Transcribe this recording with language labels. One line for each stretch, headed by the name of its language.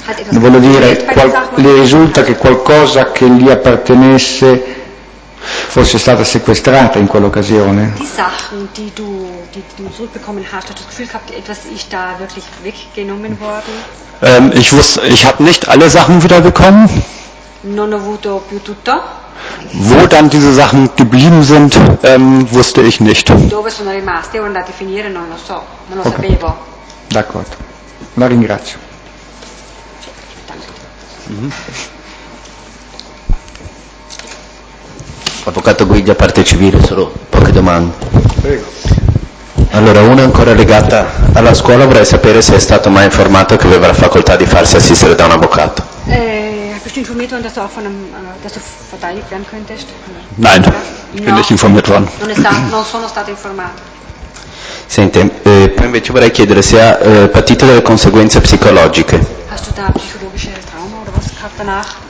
Italian: Voglio dire, le risulta che qualcosa che gli appartenesse fosse stata sequestrata in quell'occasione?
German: Die Sachen, die du zurückbekommen hast, hast du das Gefühl gehabt, etwas ist da wirklich weggenommen worden? Ich habe nicht alle Sachen wiederbekommen.
Italian: Non ho avuto più tutto.
German: Wo dann diese Sachen geblieben sind, wusste ich nicht.
Italian: Dove sono rimaste, ora andate a finire, non lo so, non lo okay. Sapevo. D'accordo. La ringrazio. Avvocato Guidi, a parte civile, solo poche domande. Prego. Allora, una ancora legata alla scuola, vorrei sapere se è stato mai informato che aveva la facoltà di farsi assistere da un avvocato.
German: Hast du informiert worden, dass du auch von einem, dass du verteidigt werden könntest? Nein, ja. Bin nicht informiert worden.
Italian: Non sono stato informato. Senti, poi invece vorrei chiedere se ha patito delle conseguenze psicologiche.
German: Hast du da psychologische Trauma oder was gehabt danach?